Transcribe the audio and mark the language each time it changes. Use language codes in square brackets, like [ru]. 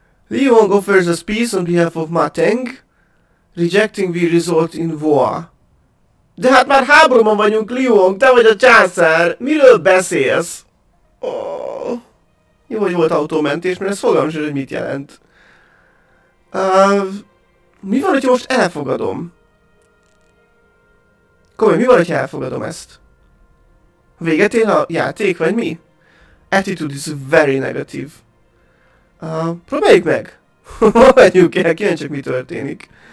[en] Liu Hong offers us peace on behalf of Ma Teng, rejecting we result in war. [hu] De hát már háborúban vagyunk, Liu Hong, te vagy a császár! Miről beszélsz? Oh. Jó, hogy volt autómentés, mert ez fogalmam sincs, hogy mit jelent. Mi van, hogy most elfogadom? Komolyan, mi van, hogy elfogadom ezt? Véget ér a játék, vagy mi? [en] Attitude is very negative. [hu] Próbáljuk meg! Mondjuk el, kíváncsiak, mi történik.